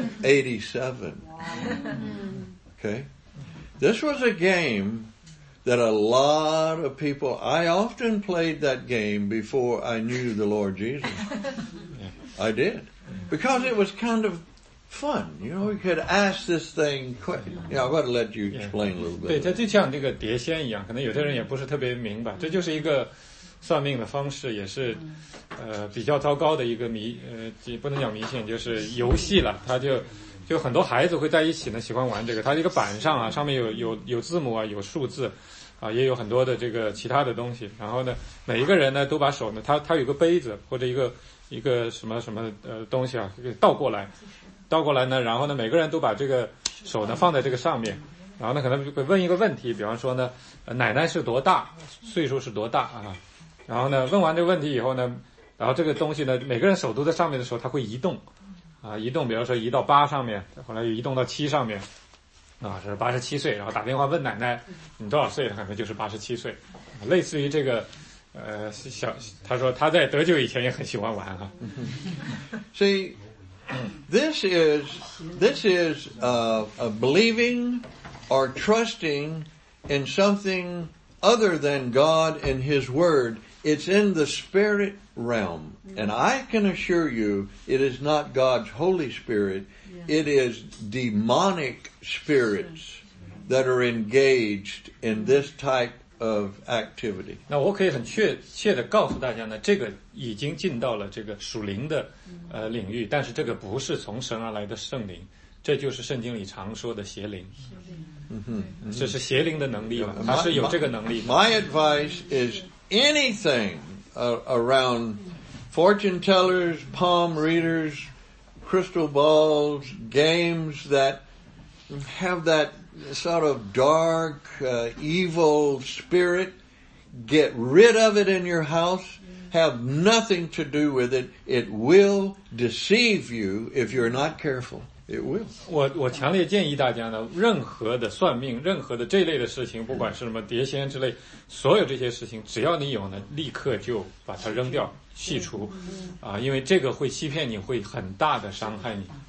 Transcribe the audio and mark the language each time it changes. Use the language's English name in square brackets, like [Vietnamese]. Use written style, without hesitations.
[English] 87. Okay. This was a game that a lot of people, I often played that game before I knew the Lord Jesus. I did. Because it was kind of fun. You know, you could ask this thing quick. Yeah, I'm going to let you explain a little bit. [Chinese] 对，它就像那个碟仙一样，可能有的人也不是特别明白，这就是一个算命的方式，也是比较糟糕的一个迷，不能讲迷信，就是游戏了，它就就很多孩子会在一起呢，喜欢玩这个。它这个板上啊，上面有字母啊，有数字，啊，也有很多的这个其他的东西。然后呢，每一个人呢都把手呢，他有个杯子或者一个什么什么东西啊，倒过来呢，然后呢，每个人都把这个手呢放在这个上面，然后呢可能会问一个问题，比方说呢，奶奶是多大，岁数是多大啊？然后呢，问完这个问题以后呢，然后这个东西呢，每个人手都在上面的时候，它会移动。啊，移动，比如说移到八上面，后来又移动到七上面，啊，是87岁，然后打电话问奶奶，你多少岁？可能就是87岁，啊，类似于这个，小，他说他在得救以前也很喜欢玩啊。 [English] See, this is believing or trusting in something other than God and His Word. It's in the spirit realm. And I can assure you, it is not God's Holy Spirit. Yeah. It is demonic spirits that are engaged in this type of activity. [Chinese] 那我可以很确的告诉大家呢，这个已经进到了这个属灵的领域，但是这个不是从神而来的圣灵，这就是圣经里常说的邪灵。这是邪灵的能力嘛，它是有这个能力。 [English] My advice is anything around fortune tellers, palm readers, crystal balls, games that have that sort of dark, evil spirit, get rid of it in your house. Have nothing to do with it. It will deceive you if you're not careful. It will. [Chinese] 我强烈建议大家呢，任何的算命，任何的这类的事情，不管是什么碟仙之类，所有这些事情，只要你有呢，立刻就把它扔掉，弃除，啊，因为这个会欺骗你，会很大的伤害你。